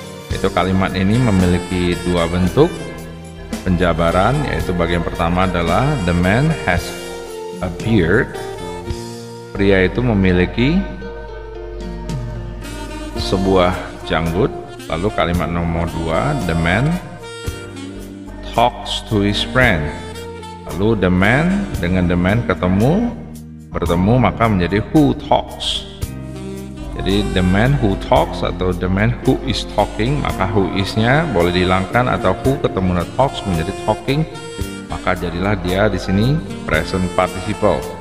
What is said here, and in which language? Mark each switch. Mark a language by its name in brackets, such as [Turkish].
[Indonesian] Itu kalimat ini memiliki dua bentuk penjabaran, yaitu bagian pertama adalah [English] the man has a beard. [Indonesian] Pria itu memiliki sebuah janggut. Lalu kalimat nomor dua, [English] the man talks to his friend. [Indonesian] Lalu the man dengan the man bertemu maka menjadi who talks. Jadi the man who talks atau the man who is talking, maka who isnya boleh dihilangkan atau who ketemu the talks menjadi talking, maka jadilah dia di sini present participle.